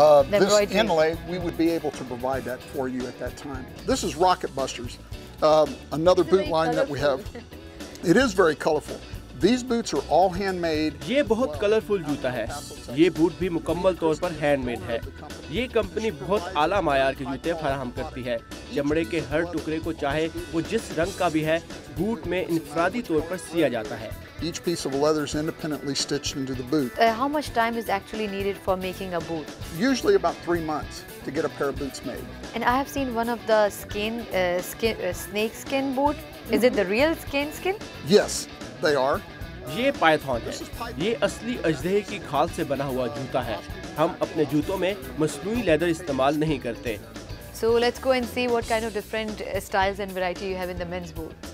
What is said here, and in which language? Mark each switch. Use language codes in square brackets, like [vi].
[en] This inlay, we would be able to provide that for you at that time. This is Rocket Busters, another boot line that we have. It is very colorful. These boots are all handmade. [ur] یہ بہت colourful جوتا ہے، یہ boat بھی مکمل طور پر hand made ہے۔ یہ کمپنی بہت اعلیٰ معیار کے جوتے فراہم کرتی ہے۔ چمڑے کے ہر ٹکڑے کو چاہے وہ جس رنگ کا بھی ہے، بوٹ میں انفرادی طور پر سیا جاتا ہے. [en] Each piece of leather is independently stitched into the boot. How much time is actually needed for making a boot? Usually about 3 months to get a pair of boots made. And I have seen one of the snake skin boot. Is it the real skin? Yes, they are. [ur] یہ پائتھون ہے. یہ اصلی اجدہے کی کھال سے بنا ہوا جوتا ہے. ہم اپنے جوتوں میں مصنوعی لیدر استعمال نہیں کرتے. [en] So let's go and see what kind of different styles and variety you have in the men's boot.